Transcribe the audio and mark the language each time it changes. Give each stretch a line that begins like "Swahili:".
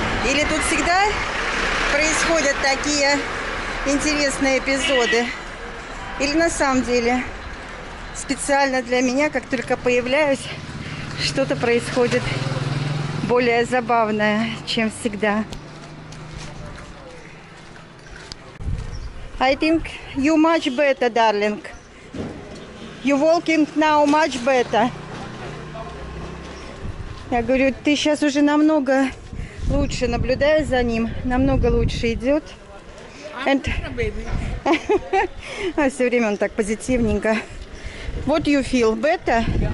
Russian: Или тут всегда происходят такие интересные эпизоды? Или на самом деле специально для меня, как только появляюсь, что-то происходит более забавная, чем всегда.
English: I think you much better, darling. You walking now much better.
Russian: Я говорю, ты сейчас уже намного лучше, наблюдая за ним, намного лучше идет.
English: And...
Russian: А все время он так позитивненько.
English: What you feel better?